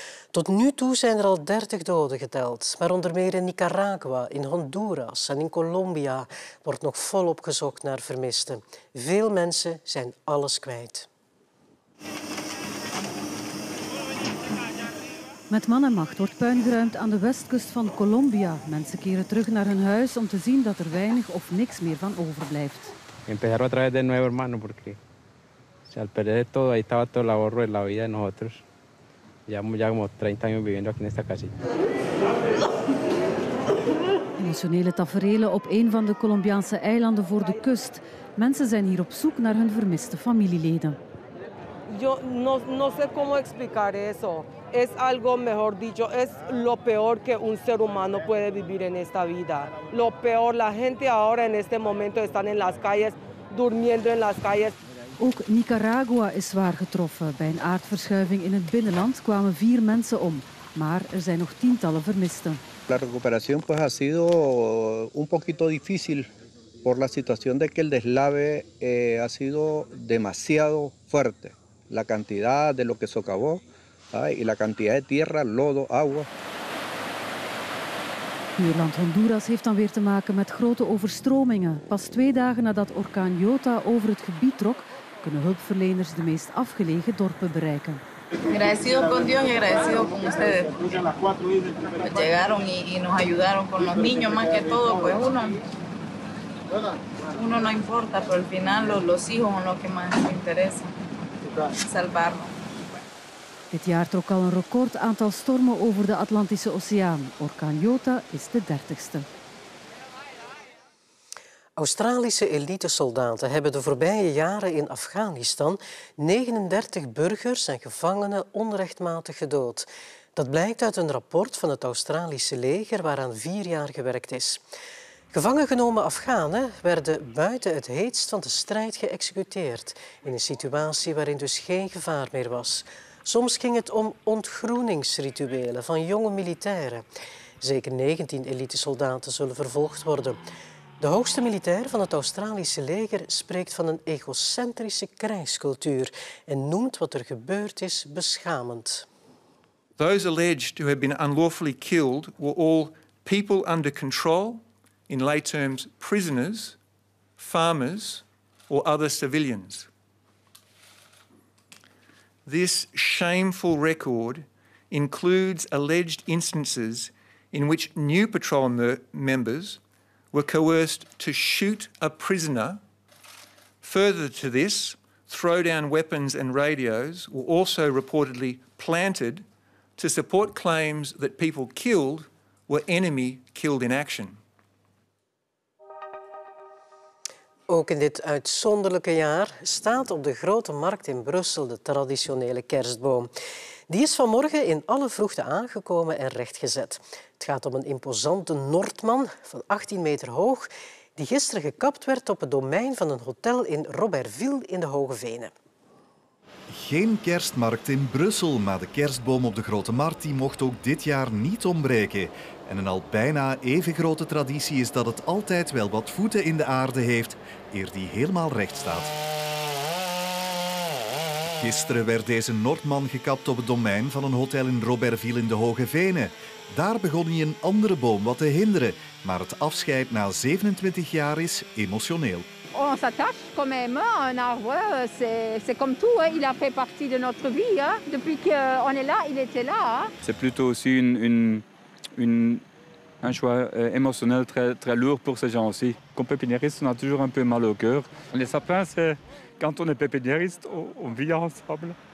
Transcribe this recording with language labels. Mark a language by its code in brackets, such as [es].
[nl] Tot nu toe zijn er al 30 doden geteld, maar onder meer in Nicaragua, in Honduras en in Colombia wordt nog volop gezocht naar vermisten. Veel mensen zijn alles kwijt. Met man en macht wordt puin geruimd aan de westkust van Colombia. Mensen keren terug naar hun huis om te zien dat er weinig of niks meer van overblijft. [es] Empezaron a traer de nuevo, hermano, porque si al perder todo ahí estaba todo el ahorro de la vida de nosotros. Llevamos 30 años viviendo aquí en esta casa. [nl] Emotionele taferelen op een van de Colombiaanse eilanden voor de kust. Mensen zijn hier op zoek naar hun vermiste familieleden. [es] Yo no sé cómo explicar eso. Es algo mejor dicho, es lo peor que un ser humano puede vivir en esta vida. Lo peor, la gente ahora en este momento están en las calles, durmiendo en las calles. [nl] Ook Nicaragua is zwaar getroffen. Bij een aardverschuiving in het binnenland kwamen 4 mensen om, maar er zijn nog tientallen vermisten. [es] La recuperación pues ha sido un poquito difícil por la situación de que el deslave ha sido demasiado fuerte. La cantidad de lo que socavó y la cantidad de tierra, lodo, agua. [nl] Nederland Honduras heeft dan weer te maken met grote overstromingen. Pas 2 dagen nadat orkaan Jota over het gebied trok, kunnen hulpverleners de meest afgelegen dorpen bereiken. [es] Agradecido con Dios y agradecido con ustedes. Llegaron y nos ayudaron con los niños más que todo, pues uno no importa, pero al final los hijos son los que más interesa. Salvarlos. [nl] Dit jaar trok al een record aantal stormen over de Atlantische Oceaan. Orkaan Jota is de 30ste. Australische elitesoldaten hebben de voorbije jaren in Afghanistan 39 burgers en gevangenen onrechtmatig gedood. Dat blijkt uit een rapport van het Australische leger waaraan 4 jaar gewerkt is. Gevangengenomen Afghanen werden buiten het heetst van de strijd geëxecuteerd in een situatie waarin dus geen gevaar meer was. Soms ging het om ontgroeningsrituelen van jonge militairen. Zeker 19 elitesoldaten zullen vervolgd worden. De hoogste militair van het Australische leger spreekt van een egocentrische krijgscultuur en noemt wat er gebeurd is beschamend. [en] Those alleged to have been unlawfully killed were all people under control, in lay terms prisoners, farmers or other civilians. This shameful record includes alleged instances in which new patrol members were coerced to shoot a prisoner. Further to this, throw-down weapons and radios were also reportedly planted to support claims that people killed were enemy killed in action. [nl] Ook in dit uitzonderlijke jaar staat op de Grote Markt in Brussel de traditionele kerstboom. Die is vanmorgen in alle vroegte aangekomen en rechtgezet. Het gaat om een imposante Noordman van 18 meter hoog die gisteren gekapt werd op het domein van een hotel in Robertville in de Hoge Venen. Geen kerstmarkt in Brussel, maar de kerstboom op de Grote Markt die mocht ook dit jaar niet ontbreken. En een al bijna even grote traditie is dat het altijd wel wat voeten in de aarde heeft eer die helemaal recht staat. Gisteren werd deze Noordman gekapt op het domein van een hotel in Robertville in de Hoge Venen. Daar begon hij een andere boom wat te hinderen, maar het afscheid na 27 jaar is emotioneel. [fr] On s'attache quand même à un arbre, c'est comme tout, hein. Il a fait partie de notre vie, hein. Depuis qu'on est là, il était là. C'est plutôt aussi un choix émotionnel très, très lourd pour ces gens aussi. Comme pépiniériste, on a toujours un peu mal au cœur. Les sapins, c'est quand on est pépiniériste, on vit ensemble.